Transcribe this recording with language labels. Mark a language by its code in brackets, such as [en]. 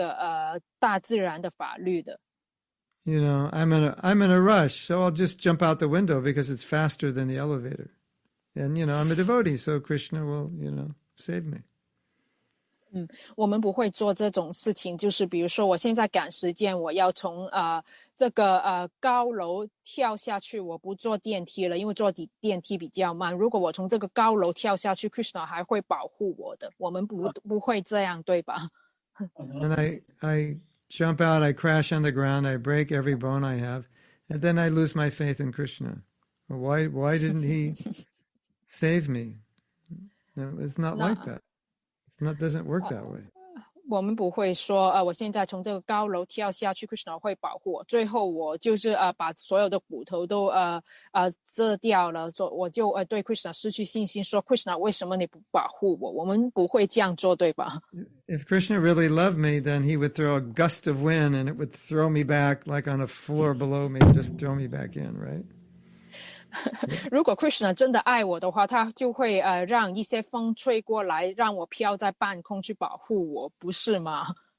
[zh] 还有帕普帕德也有强调过一点，就是奉献者他们不会去挑战这个大自然的法律的。 [en] You know, I'm in a rush, so I'll just jump out the window because it's faster than the elevator. And, you know, I'm a devotee, so Krishna will, you know, save me. [zh] 我们不会做这种事情，就是比如说我现在赶时间，我要从这个高楼跳下去，我不坐电梯了，因为坐电梯比较慢。如果我从这个高楼跳下去， Krishna 还会保护我的，我们不会这样，对吧？ [en] And I jump out, I crash on the ground, I break every bone I have, and then I lose my faith in Krishna. Why didn't he save me? It's not like that. That doesn't work that way. [zh] 我们不会说，我现在从这个高楼跳下去， Krishna 会保护我。最后，我就是把所有的骨头都折掉了，我就对 Krishna 失去信心，说 Krishna 为什么你不保护我？我们不会这样做，对吧？ [en] If Krishna really loved me, then he would throw a gust of wind, and it would throw me back like on a floor below me, just throw me back in, right? [zh] 如果 Krishna 真的爱我的话，他就会让一些风吹过来，让我飘在半空去保护我，不是吗？